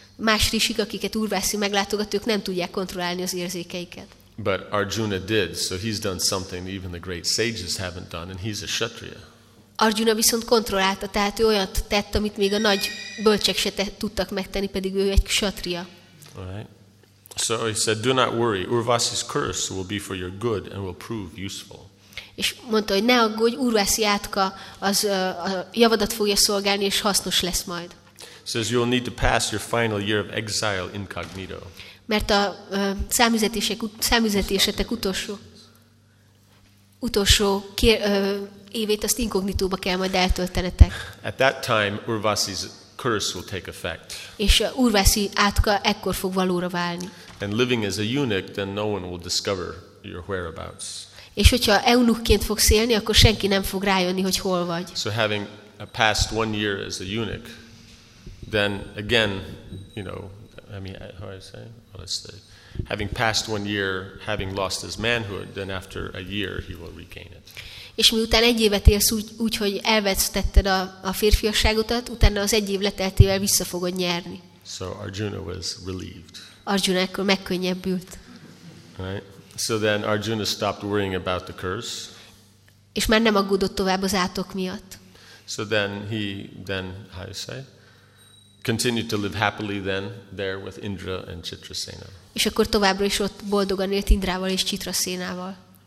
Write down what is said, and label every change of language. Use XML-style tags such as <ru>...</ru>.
<hu>Más rishik, akiket Urvasi meglátogat, ők nem tudják kontrollálni az érzékeiket.</hu> <en>But Arjuna did, so he's done something even the great sages haven't done, and he's a kshatriya.</en> <hu>Arjuna viszont kontrollálta, tehát ő olyat tett, amit még a nagy bölcsek se tudtak megtenni, pedig ő egy kshatriya.</hu> <en>Right. So he said, "Do not worry. Urvasi's curse will be for your good and will prove useful."</en> <hu>És mondta, hogy ne aggódj, Urvasi átka az a javadat fogja szolgálni és hasznos lesz majd.</hu> <en>Says you'll need to pass your final year of exile incognito.</en> <hu>Mert a számüzetésetek utolsó évét azt inkognitóba kell majd eltöltenetek.</hu> <en>At that time Urvasi's curse will take effect.</en> <hu>És Urvasi átka ekkor fog valóra válni.</hu> <en>And living as a eunuch, then no one will discover your whereabouts.</en> <hu>És hogyha eunuchként fogsz élni, akkor senki nem fog rájönni, hogy hol vagy.</hu> <en>So having passed one year as a eunuch, then again, you know, I mean, how do I say? Well, let's say, having passed one year, having lost his manhood, then after a year he will regain it.</en> <hu>És miután egy évet élsz úgy, hogy elvesztetted a férfiasságotat, utána az egy év leteltével vissza fogod nyerni.</hu> <en>So Arjuna was relieved.</en> <hu>Arjuna ekkor megkönnyebbült.</hu> <en>Right? So then Arjuna stopped worrying about the curse.</en> <hu>És már nem aggódott tovább az átok miatt.</hu> <en>So then he then how do you say? Continued to live happily then there with Indra and Chitrasena.</en> <hu>És akkor továbbra is ott boldogan élt Indrával és Chitrasenával.</hu>